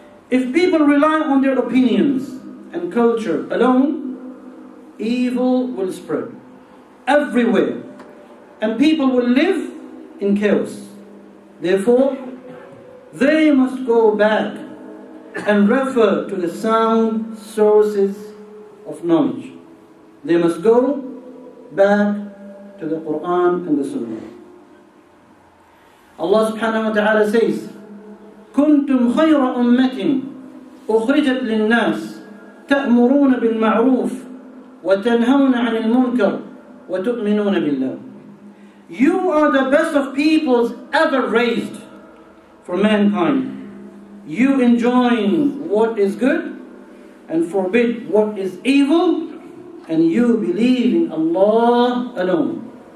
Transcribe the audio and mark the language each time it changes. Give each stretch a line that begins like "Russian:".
English: If people rely on their opinions and culture alone, evil will spread everywhere and people will live in chaos. Therefore, they must go back and refer to the sound sources of knowledge. They must go back to the Quran and the Sunnah. Allah subhanahu wa ta'ala says,
Arabic: كُنْتُمْ خَيْرَ أُمَّةٍ أُخْرِجَتْ لِلنَّاسِ تَأْمُرُونَ بِالْمَعْرُوفِ وَتَنْهَوْنَ عَنِ الْمُنْكَرِ وَتُؤْمِنُونَ بِاللَّهِ.
English: You are the best of peoples ever raised for mankind. You enjoin what is good and forbid what is evil, and you believe in Allah alone.